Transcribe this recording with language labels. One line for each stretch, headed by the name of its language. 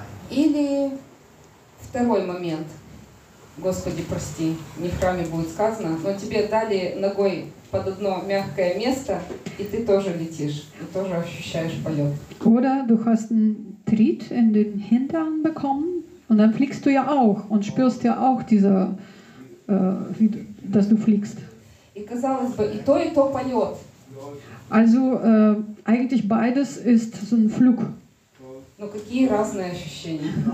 Russian: Или второй момент, Господи, прости, не в храме будет сказано, но тебе дали ногой под одно мягкое место, и ты тоже летишь, и тоже ощущаешь полет.
German: Oder du hast einen Tritt in den Hintern bekommen und dann fliegst du ja auch und spürst ja auch diese, dass du fliegst.
Russian: И казалось бы, и то полет.
German: Also eigentlich beides ist so ein Flug.
Russian: Но какие разные ощущения.